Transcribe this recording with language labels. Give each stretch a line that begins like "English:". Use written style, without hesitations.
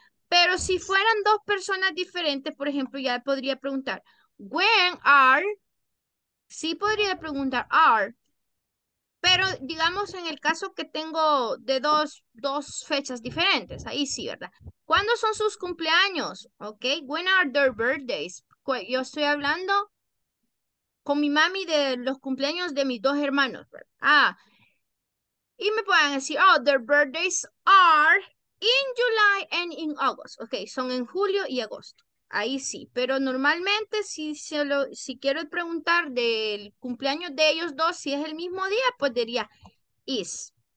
Spanish: Pero si fueran dos personas diferentes, por ejemplo, ya podría preguntar,
English: when are,
Spanish: sí podría preguntar are, pero digamos en el caso que tengo de dos fechas diferentes, ahí sí, ¿verdad? ¿Cuándo son sus cumpleaños? ¿Ok?
English: When are their birthdays?
Spanish: Yo estoy hablando con mi mami de los cumpleaños de mis dos hermanos. Ah, y me pueden decir,
English: oh, their birthdays are in July and in August.
Spanish: Ok, son en julio y agosto. Ahí sí. Pero normalmente, si quiero preguntar del cumpleaños de ellos dos, si es el mismo día, pues diría is.